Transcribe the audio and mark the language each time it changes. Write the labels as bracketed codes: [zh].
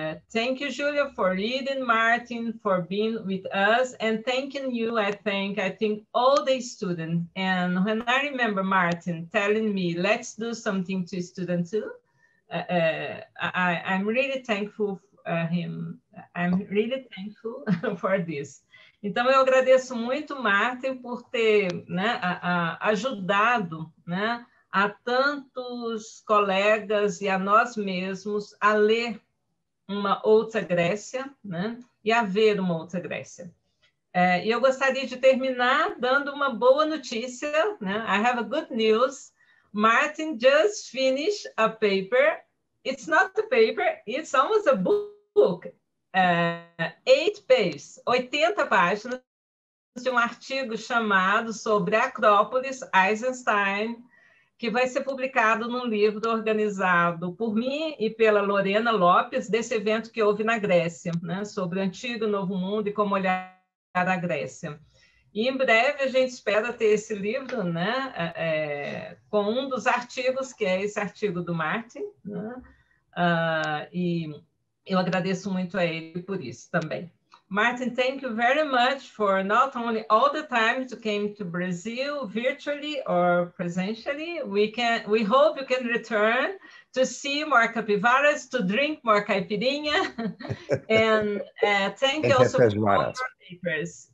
[en] Thank you, Julia, for leading Martin, for being with us. And thanking you, I think all the students. And when I remember Martin telling me, let's do something to students too, I'm really thankful I'm really thankful for this. [pt] Então, eu agradeço muito, Martin, por ter, né, ajudado, né, a tantos colegas e a nós mesmos a ler uma outra Grécia, né, e a ver uma outra Grécia. E eu gostaria de terminar dando uma boa notícia, né? [en] I have a good news. Martin just finished a paper. It's not a paper, it's almost a book. Eight pages, [pt] 80 páginas de um artigo chamado sobre Acrópolis, Eisenstein, que vai ser publicado num livro organizado por mim e pela Lorena Lopes, desse evento que houve na Grécia, né, sobre o Antigo e Novo Mundo e como olhar a Grécia. E em breve a gente espera ter esse livro, né, com um dos artigos, que é esse artigo do Martin, né, e eu agradeço muito a ele por isso também. [en] Martin, thank you very much for not only all the time you came to Brazil virtually or presentially. We hope you can return to see more capivaras, to drink more caipirinha. And thank you also for all your papers.